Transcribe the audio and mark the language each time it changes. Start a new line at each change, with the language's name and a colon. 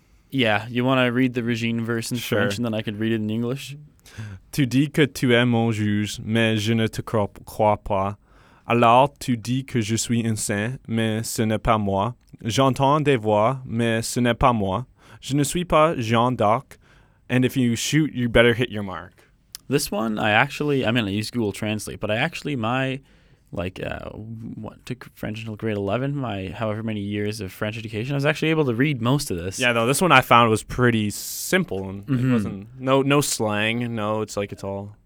English: Yeah, you want to read the Regine verse in sure. French, and then I could read it in English.
French: Tu dis que tu es mon juge, mais je ne te crois pas. Alors tu dis que je suis un saint, mais ce n'est pas moi. J'entends des voix, mais ce n'est pas moi. Je ne suis pas Jean d'Arc.
English: And if you shoot, you better hit your mark. This one, I use Google Translate, but I actually, took French until grade 11, my however many years of French education, I was actually able to read most of this. Yeah, though, this one I found was pretty simple. And mm-hmm. It wasn't, no slang, no, it's like it's all.